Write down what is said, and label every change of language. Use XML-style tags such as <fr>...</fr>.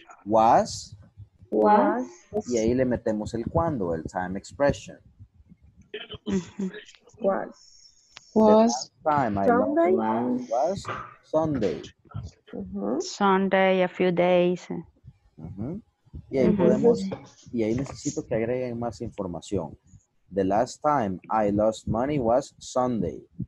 <es>was y ahí le metemos el cuando, el time expression.</es> <en>Was the last time I lost money was Sunday. Sunday, a few days.</en> <es>Y ahí podemos, y ahí necesito que agreguen más información.</es> <en>The last time I lost money was Sunday.</en>